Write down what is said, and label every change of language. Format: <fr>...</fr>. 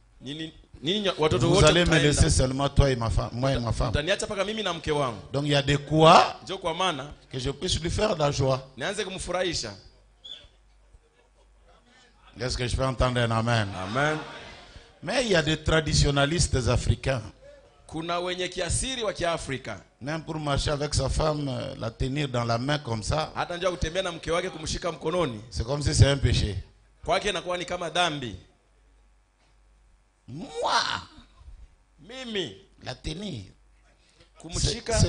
<fr>Vous allez me laisser seulement toi et ma femme, moi et ma femme. Donc il y a de quoi que je puisse lui faire la joie. Est-ce que je peux entendre un amen? Amen. Mais il y a des traditionnalistes africains.</fr> <sw>Kuna wenye kiasiri wa Kiafrika.</sw> <fr>Même pour marcher avec sa femme, la tenir dans la main comme ça.</fr> <sw>Hata njoo utembea na mke wake kumshika mkononi.</sw> <fr>C'est comme si c'est un péché.</fr> <sw>Kwake inakuwa ni kama dhambi.</sw> <fr>Moi.</fr> <sw>Mimi.</sw> <fr>La tenir.</fr> <sw>Kumshika.</sw>